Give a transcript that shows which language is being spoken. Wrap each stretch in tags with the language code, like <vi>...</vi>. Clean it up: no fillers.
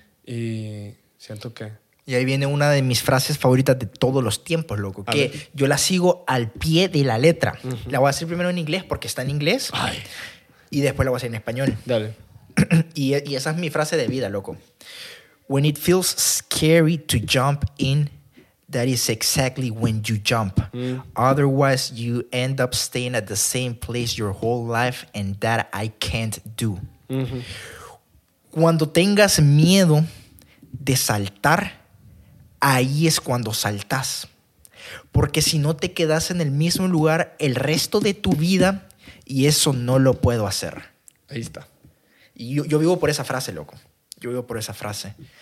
<es>Y siento que... Y ahí viene una de mis frases favoritas de todos los tiempos, loco. A que ver. Yo la sigo al pie de la letra. Uh-huh. La voy a hacer primero en inglés porque está en inglés. Ay. Y después la voy a hacer en español. Dale. Y esa es mi frase de vida, loco.</es> <en>When it feels scary to jump in... That is exactly when you jump. Mm. Otherwise, you end up staying at the same place your whole life, and that I can't do. Mm-hmm.</en> <es>Cuando tengas miedo de saltar, ahí es cuando saltas. Porque si no te quedas en el mismo lugar el resto de tu vida, y eso no lo puedo hacer. Ahí está. Y yo vivo por esa frase, loco. Yo vivo por esa frase.</es>